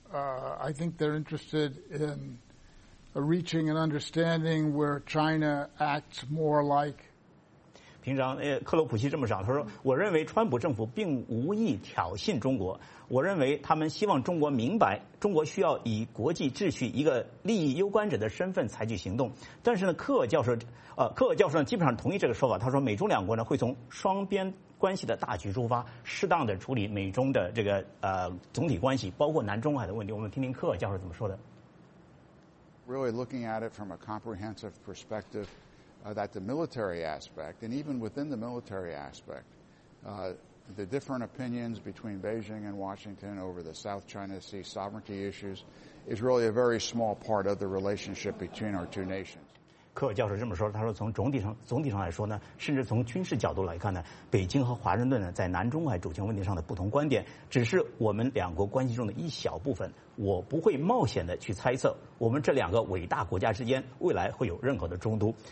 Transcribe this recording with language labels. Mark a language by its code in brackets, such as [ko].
[en] I think they're interested in reaching an understanding where China acts more like. [zh] 平常克罗普西这么讲，他说，我认为川普政府并无意挑衅中国，我认为他们希望中国明白中国需要以国际秩序一个利益攸关者的身份采取行动。但是呢，克尔教授呢基本上同意这个说法。他说，美中两国呢会从双边关系的大局出发，适当的处理美中的这个总体关系，包括南中海的问题。我们听听克尔教授怎么说的。 [en] Really looking at it from a comprehensive perspective, that the military aspect, and even within the military aspect, the different opinions between Beijing and Washington over the South China Sea sovereignty issues is really a very small part of the relationship between our two nations. [zh] 克尔教授这么说，他说从总体上来说呢，甚至从军事角度来看呢，北京和华盛顿呢在南中海主权问题上的不同观点，只是我们两国关系中的一小部分。我不会冒险的去猜测我们这两个伟大国家之间未来会有任何的冲突。